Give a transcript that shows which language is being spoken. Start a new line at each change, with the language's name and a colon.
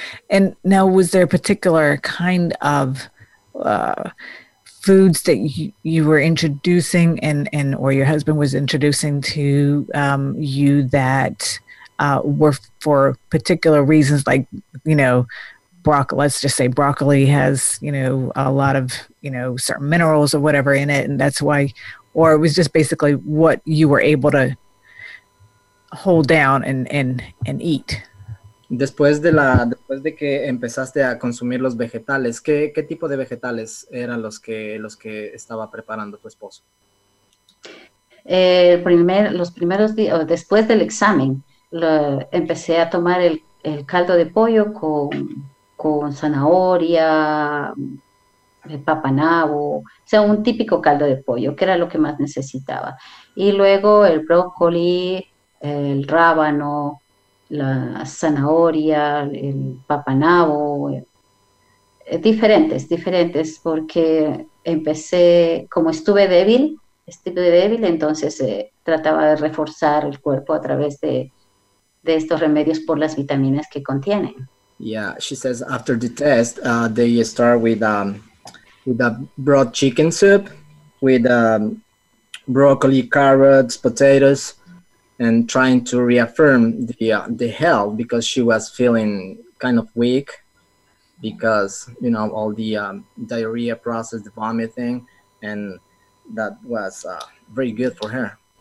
English: And now, was there a particular kind of foods that you were introducing and or your husband was introducing to you that were for particular reasons, like, you know, broccoli has, you know, a lot of, you know, certain minerals or whatever in it, and that's why, or it was just basically what you were able to hold down and eat.
Spanish: Después de que empezaste a consumir los vegetales, ¿qué tipo de vegetales eran los que estaba preparando tu esposo? Después del examen, empecé a tomar el caldo de pollo con zanahoria, papanabo, o sea, un típico caldo de pollo, que era lo que más necesitaba. Y luego el brócoli, el rábano, la zanahoria, el papanabo, diferentes, porque empecé, como estuve débil, entonces trataba de reforzar el cuerpo a través de estos remedios por las vitaminas que contienen.
English: Yeah, she says after the test, they start with a broad chicken soup, with broccoli, carrots, potatoes, and trying to reaffirm the health, because she was feeling kind of weak because, you know, all the diarrhea process, the vomiting, and that was very good for her.